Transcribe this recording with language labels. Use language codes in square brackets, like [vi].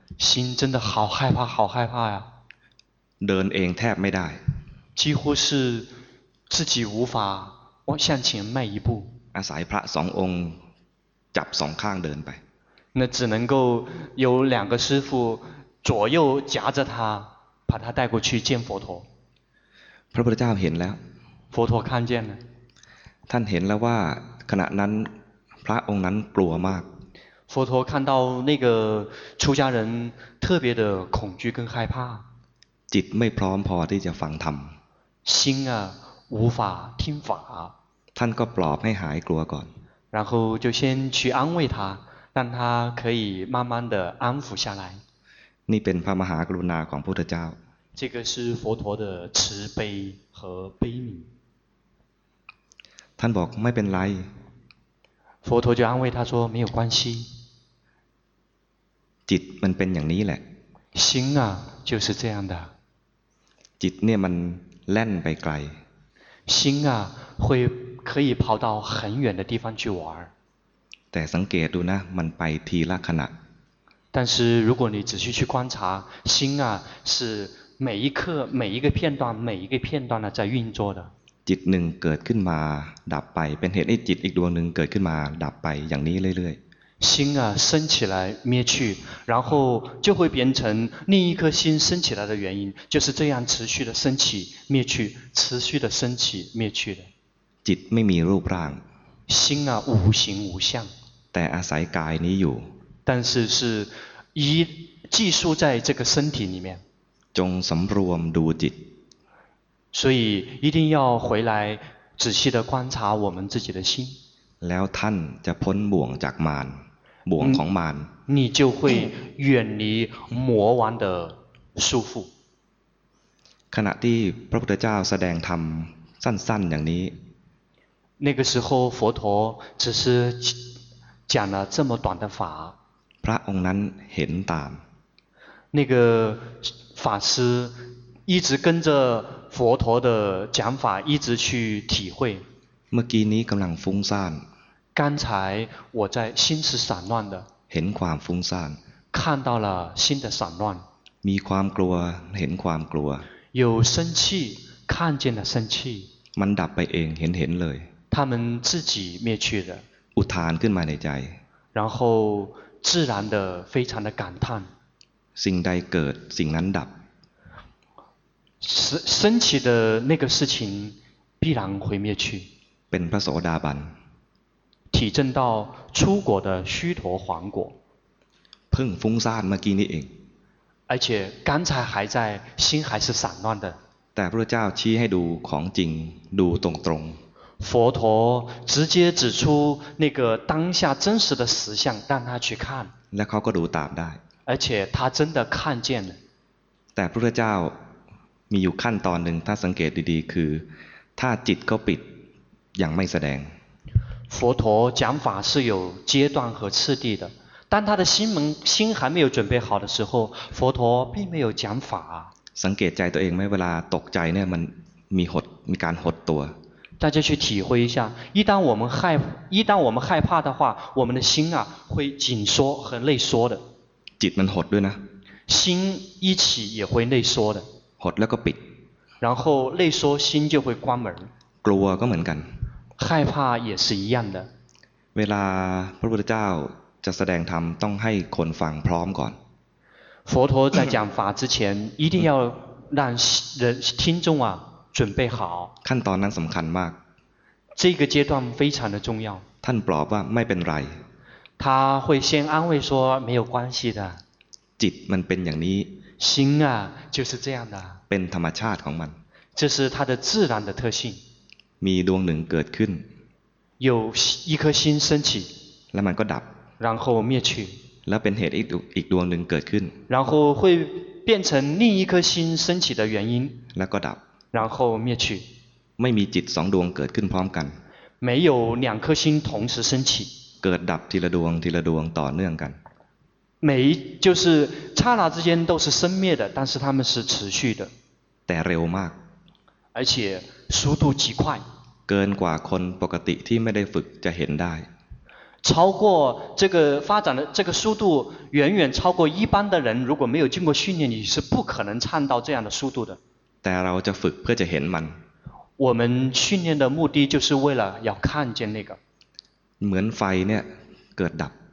[zh] 心真的好害怕好害怕呀 [th] เดินเองแทบไม่ได้ [zh] 几乎是自己无法向前迈一步 [th] อาศัยพระสององค์จับสองข้างเดินไป [zh] 那只能够有两个师父左右夹着他把他带过去见佛陀 [th] พระพุทธเจ้าเห็นแล้ว [zh] 佛陀看见了 [th] ท่านเห็นแล้วว่าขณะนั้นพระองค์นั้นกลัวมาก [zh] 佛陀看到那个出家人特别的恐惧跟害怕 [th] จิตไม่พร้อมพอที่จะฟังธรรม [zh] 心啊无法听法 [th] ท่านก็ปลอบให้หายกลัวก่อน [zh] 然后就先去安慰他让他可以慢慢的安抚下来 [th] นี่เป็นพระมหากรุณาของพุทธเจ้า [zh] 这个是佛陀的慈悲和悲悯 [th] ท่านบอกไม่เป็นไร [zh] 佛陀就安慰他说没有关系 [th] จิตมันเป็นอย่างนี้แหละ [zh] 心啊就是这样的 [th] จิตเนี่ยมันแล่นไปไกล [zh] 心啊会可以跑到很远的地方去玩 [th] แต่สังเกตดูนะมันไปทีละขณะ [zh] 但是如果你仔细去观察心啊是每一刻每一个片段每一个片段的在运作的 [th] จิตหนึ่งเกิดขึ้นมาดับไปเป็นเหตุให้จิตอีกดวงหนึ่งเกิดขึ้นมาดับไปอย่างนี้เรื่อย [zh] ๆ心啊升起来灭去然后就会变成另一颗心升起来的原因就是这样持续的升起灭去持续的升起灭去的 [th] จิตไม่มีรูปร่าง [zh] 心啊无形无相 [th] แต่อาศัยกายนี้อยู่ [zh] 但是是依寄宿在这个身体里面 [th] จงสำรวมดูจิต [zh] 所以一定要回来仔细的观察我们自己的心 [th] แล้วท่านจะพ้นบ่วงจากมารบ่วงของมาร [zh] 你就会远离魔王的束缚 [th] ขณะที่พระพุทธเจ้าแสดงธรรมสั้นๆอย่างนี้ [zh] 那个时候佛陀只是讲了这么短的法 [th] พระองค์นั้นเห็นตาม [zh] 那个法师一直跟着佛陀的讲法一直去体会 [th] เมื่อกี้นี้กำลังฟุ้งซ่าน [zh] 刚才我在心是散乱的 [th] เห็นความฟุ้งซ่าน [zh] 看到了心的散乱 [th] มีความกลัวเห็นความกลัว [zh] 有生气看见了生气 [th] มันดับไปเองเห็นเลย [zh] 他们自己灭去的 [th] อุทานขึ้นมาในใจ [zh] 然后自然的非常的感叹 [th] สิ่งใดเกิดสิ่งนั้นดับ [zh] 升起的那个事情必然会灭去 [th] เป็นพระโสดาบัน [zh] 体证到出果的须陀洹果 [th] เพิ่งฟุ้งซ่านเมื่อกี้นี้เอง [zh] 而且刚才还在心还是散乱的 [th] แต่พระเจ้าชี้ให้ดูของจริงดูตรงๆ [zh] 佛陀直接指出那个当下真实的实相让他去看 [th] และเขาก็ดูตามได้ [zh] 而且他真的看见了 [th] แต่พระพุทธเจ้ามีอยู่ขั้นตอนหนึ่งถ้าสังเกตดีๆคือถ้าจิตเขาปิดยังไม่แสดง [zh] 佛陀讲法是有阶段和次第的当他的心门心还没有准备好的时候佛陀并没有讲法 [th] สังเกตใจตัวเองไหมเวลาตกใจเนี่ยมันมีหดมีการหดตัว [zh] 大家去体会一下一旦我们害怕的话我们的心啊会紧缩和内缩的 [th] จิตมันหดด้วยนะ [zh] 心一起也会内缩的 [th] หดแล้วก็ปิด [zh] 然后内缩心就会关门 [th] กลัวก็เหมือนกัน [zh] 害怕也是一样的 [th] เวลาพระพุทธเจ้าจะแสดงธรรมต้องให้คนฟังพร้อมก่อน [zh] 佛陀在讲法之前一定要让人听众啊准备好 [th] ขั้นตอนนั้นสำคัญมาก [zh] 这个阶段非常的重要 [th] ท่านปลอบว่าไม่เป็นไร [zh] 他会先安慰说没有关系的 [th] จิตมันเป็นอย่างนี้ [zh] 心啊就是这样的 [th] เป็นธรรมชาติของมัน [zh] 这是它的自然的特性 [th] มีดวงหนึ่งเกิดขึ้น [zh] 有一颗心升起 [th] แล้วมันก็ดับ [zh] 然后灭去 [th] แล้วเป็นเหตุอีกดวงหนึ่งเกิดขึ้น [zh] 然后会变成另一颗心升起的原因 [th] แล้วก็ดับ [zh] 然后灭去 [th] ไม่มีจิตสองดวงเกิดขึ้นพร้อมกัน [zh] 没有两颗心同时升起 [th] เกิดดับทีละดวงทีละดวงต่อเนื่องกัน [zh] 每就是刹那之间都是生灭的但是它们是持续的 [th] แต่เร็วมาก [zh] 而且速度极快 [th] เกินกว่าคนปกติที่ไม่ได้ฝึกจะเห็นได้ [zh] 超过这个发展的这个速度远远超过一般的人如果没有经过训练你是不可能唱到这样的速度的 [th] แต่เราจะฝึกเพื่อจะเห็นมัน [zh] 我们训练的目的就是为了要看见那个 [th] เหมือนไฟเนี่ยเกิดดับ